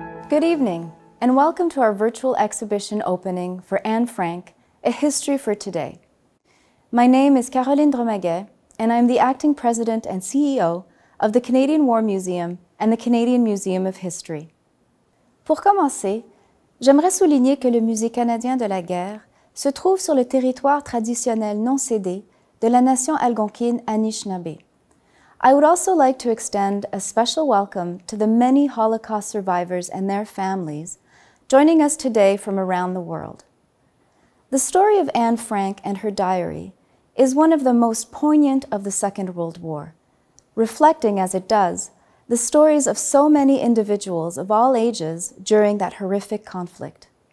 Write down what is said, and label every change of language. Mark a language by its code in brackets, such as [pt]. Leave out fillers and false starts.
[en] Good evening, and welcome to our virtual exhibition opening for Anne Frank, A History for Today. My name is Caroline Dromaguet, and I'm the acting president and CEO of the Canadian War Museum and the Canadian Museum of History. [fr] Pour commencer, j'aimerais souligner que le Musée canadien de la guerre se trouve sur le territoire traditionnel non cédé de la nation algonquine Anishinaabe. [en] I would also like to extend a special welcome to the many Holocaust survivors and their families joining us today from around the world. The story of Anne Frank and her diary is one of the most poignant of the Second World War, reflecting as it does the stories of so many individuals of all ages during that horrific conflict.